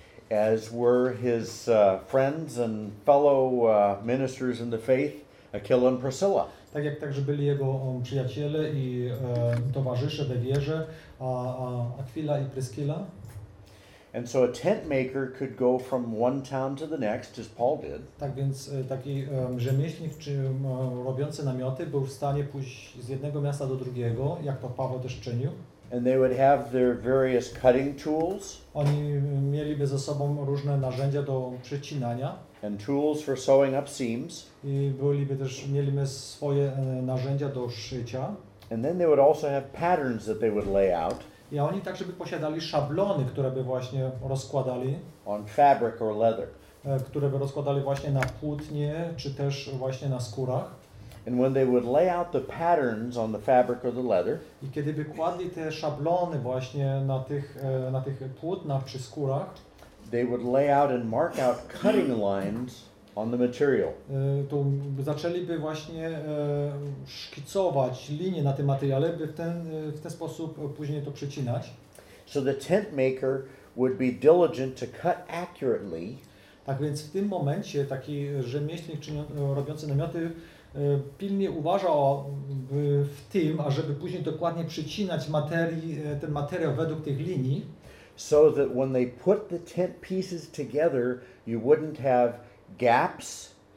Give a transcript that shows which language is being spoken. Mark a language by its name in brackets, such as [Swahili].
[English] As were his friends and fellow ministers in the faith, Aquila and Priscilla. [Polish] Tak jak także byli jego przyjaciele i towarzysze we wierze, Aquila i Priscilla. [English] And so a tent maker could go from one town to the next, as Paul did. [Polish] Tak więc taki rzemieślnik, czy robiący namioty, był w stanie pójść z jednego miasta do drugiego, jak to Paweł też czynił. [English] And they would have their various cutting tools. [Polish] Oni mieliby ze sobą różne narzędzia do przecinania. [English] And tools for sewing up seams. [Polish] I byliby też, mieliby swoje narzędzia do szycia. [English] And then they would also have patterns that they would lay out. [Polish] I oni także by posiadali szablony, które by właśnie rozkładali. [English] On fabric or leather. [Polish] Które by rozkładali właśnie na płótnie, czy też właśnie na skórach. [English] And when they would lay out the patterns on the fabric or the leather. [Polish] I kiedy by kładli te szablony właśnie na tych płótnach czy skórach. [English] They would lay out and mark out cutting lines on the material. [Polish] To zaczęliby właśnie szkicować linie na tym materiale, by w ten sposób później to przecinać. [English] So the tent maker would be diligent to cut accurately. [Polish] Tak więc w tym momencie taki rzemieślnik robiący namioty pilnie uważał w tym, ażeby później dokładnie przecinać ten materiał według tych linii. [English] So that when they put the tent pieces together, you wouldn't have gaps,